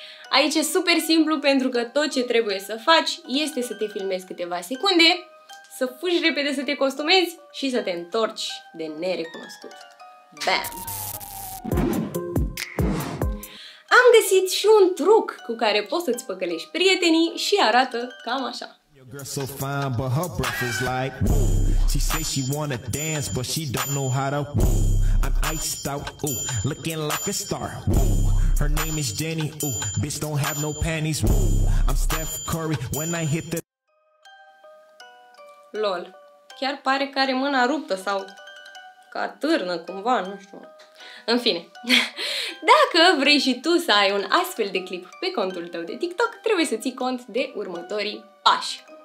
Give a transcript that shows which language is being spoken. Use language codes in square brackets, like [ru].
[ro] Aici e super simplu pentru că tot ce trebuie să faci este să te filmezi câteva secunde, să fugi repede să te costumezi și să te întorci de nerecunoscut. Bam! Am găsit și un truc cu care poți să-ți păcălești prietenii și arată cam așa. [en] Your girl so fine, but her breath is like woo. She say she wanna dance, but she don't know how to woo. I'm iced out, ooh, looking like a star, woo. Her name is Jenny, ooh, bitch don't have no panties, woo. I'm Steph Curry, when I hit the... [ro] Lol, chiar pare că are mâna ruptă sau că atârnă cumva, nu știu. În fine, dacă vrei și tu să ai un astfel de clip pe contul tău de TikTok, trebuie să ții cont de următorii pași.